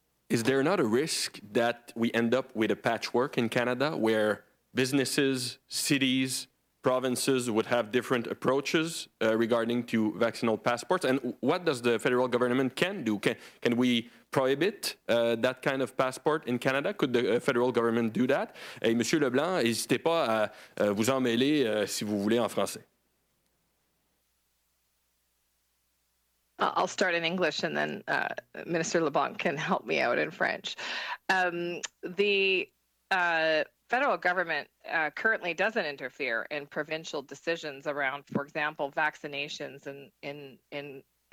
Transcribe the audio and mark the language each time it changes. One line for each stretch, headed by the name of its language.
English: Is there not a risk that we end up with a patchwork in Canada where businesses, cities, provinces would have different approaches regarding to vaccinal passports? And what does the federal government can do? Can we prohibit that kind of passport in Canada? Could the federal government do that?
French: Et Monsieur Leblanc, n'hésitez pas à vous en mêler si vous voulez en français.
English: I'll start in English and then Minister Leblanc can help me out in French. Federal government currently doesn't interfere in provincial decisions around, for example, vaccinations in